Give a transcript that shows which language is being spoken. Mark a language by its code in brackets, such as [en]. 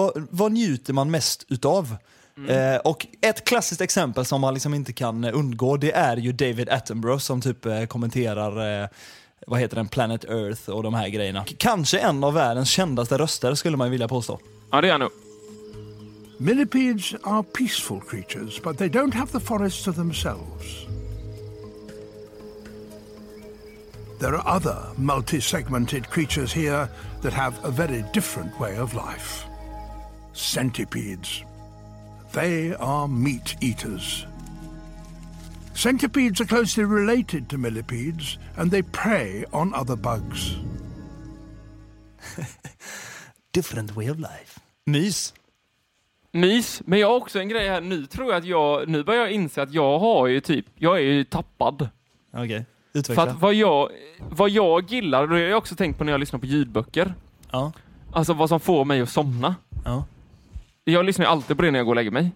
[sv] Vad njuter man mest utav? Och ett klassiskt exempel som man liksom inte kan undgå, det är ju David Attenborough som typ kommenterar, vad heter den, Planet Earth och de här grejerna. Kanske en av världens kändaste röster skulle man vilja påstå. Ja, det är han nu. [en] Millipedes are peaceful creatures, but they don't have the forest to themselves. There are other multi-segmented creatures here that have a very different way of life. Centipedes. They are meat eaters. Centipedes are closely related to millipedes and they prey on other bugs. Different way of life. Mys. [sv] Mys. Men jag har också en grej här. Nu tror jag att jag... Nu börjar jag inse att jag har ju typ... Jag är ju tappad. Okej. Okay. Utveckla. För att vad jag gillar... Det har jag också tänkt på när jag lyssnar på ljudböcker. Ja. Alltså vad som får mig att somna. Ja. Jag lyssnar ju alltid på det när jag går och lägger mig.